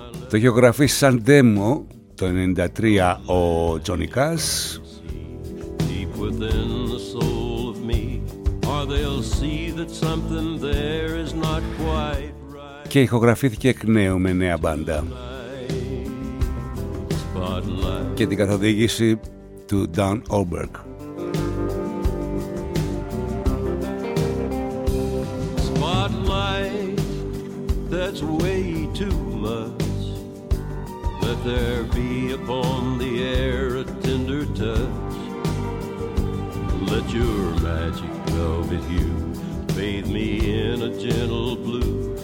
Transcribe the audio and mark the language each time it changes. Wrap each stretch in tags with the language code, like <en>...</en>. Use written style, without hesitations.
<el>Το έχει γραφεί σαν demo το 93 ο Johnny Cash.</el> <en>Deep within the soul of me, or they'll see that something there is not quite.</en> <el>Και ηχογραφήθηκε εκ νέου με νέα μπάντα.</el> <en>Spotlight.</en> <el>Και την καθοδήγηση του Dan Oberg.</el> <en>Spotlight, that's way too much. Let there be upon the air a tender touch. Let your magic velvet hue bathe me in a gentle blue.</en>